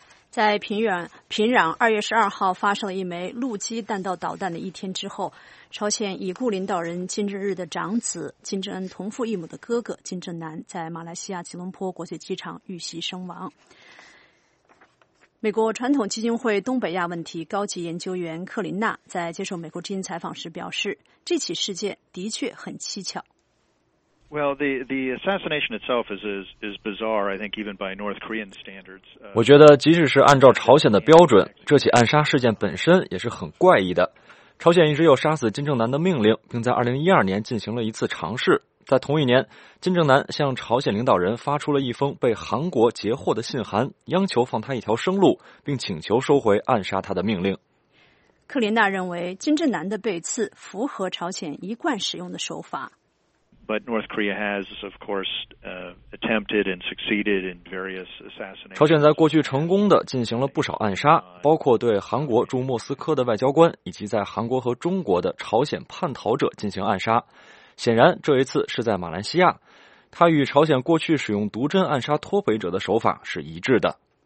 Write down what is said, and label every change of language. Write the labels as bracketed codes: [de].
[zh] 在平壤2月12号发射了一枚陆基弹道导弹的一天之后，朝鲜已故领导人金正日的长子、金正恩同父异母的哥哥金正男在马来西亚吉隆坡国际机场遇袭身亡。美国传统基金会东北亚问题高级研究员克林娜在接受美国之音采访时表示，这起事件的确很蹊跷。 [en] Well, the assassination itself is bizarre, I think, even by North Korean standards. [zh] 我觉得即使是按照朝鲜的标准，这起暗杀事件本身也是很怪异的。朝鲜一直有杀死金正男的命令，并在2012年进行了一次尝试。在同一年，金正男向朝鲜领导人发出了一封被韩国截获的信函，央求放他一条生路，并请求收回暗杀他的命令。克林娜认为金正男的被刺符合朝鲜一贯使用的手法。 [en] But North Korea has, of course, attempted and succeeded in various assassinations. [zh] 朝鲜在过去成功地进行了不少暗杀，包括对韩国驻莫斯科的外交官，以及在韩国和中国的朝鲜叛逃者进行暗杀。显然，这一次是在马来西亚。他与朝鲜过去使用毒针暗杀脱北者的手法是一致的。